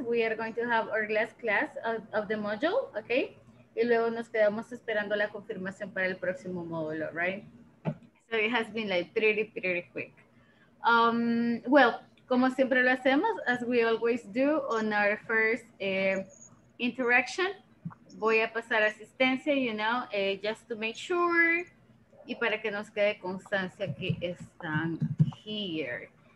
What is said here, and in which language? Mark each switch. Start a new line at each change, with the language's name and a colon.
English: We are going to have our last class of the module, okay?
Spanish: Y luego nos quedamos esperando la confirmación para el próximo módulo, right?
English: So, it has been like pretty, pretty quick. Well,
Spanish: como siempre lo hacemos,
English: as we always do on our first interaction,
Spanish: voy a pasar asistencia,
English: you know, just to make sure
Spanish: y para que nos quede constancia que están
English: here.